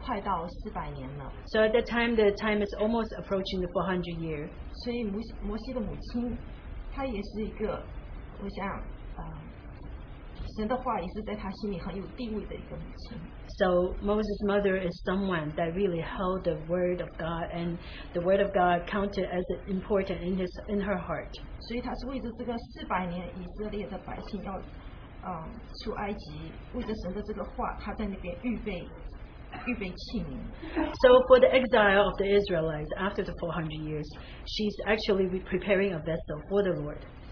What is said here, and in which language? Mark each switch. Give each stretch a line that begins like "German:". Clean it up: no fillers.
English: So at that time, the time is almost approaching the 400 year.
Chinese: 所以摩西的母亲, 她也是一个, 我想, 神的话也是在她心里很有地位的一个母亲。
English: So Moses' mother is someone that really held the word of God, and the word of God counted as important in his in her heart.
Chinese: 所以她是为着这个400年以色列的百姓要
English: So for the exile of the Israelites after the 400 years, she's actually preparing a vessel for the Lord.